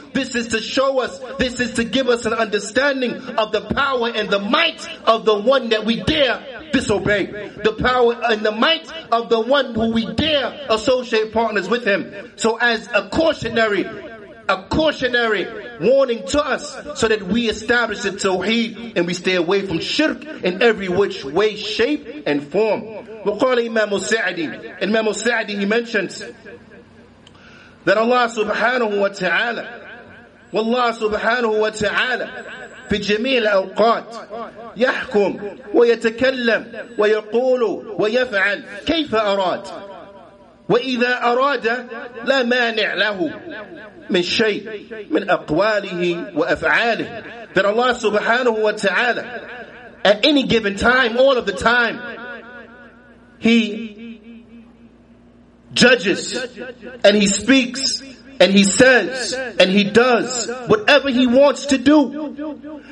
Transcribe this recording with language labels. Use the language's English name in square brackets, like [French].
[English] This is to show us, this is to give us an understanding of the power and the might of the one that we dare disobey, the power and the might of the one who we dare associate partners with him. So as a cautionary warning to us, so that we establish the tawheed and we stay away from shirk in every which way, shape and form. Waqala Imam Sa'di, Imam Sa'di, he mentions that Allah subhanahu wa ta'ala, [Arabic] wallah subhanahu wa ta'ala, في جميع الأوقات يحكم ويتكلم ويقول ويفعل كيف أراد وإذا أراد لا مانع له من شيء من أقواله وأفعاله. [English] That Allah subhanahu wa ta'ala, at any given time, all of the time, he judges and he speaks and he says and he does whatever he wants to do.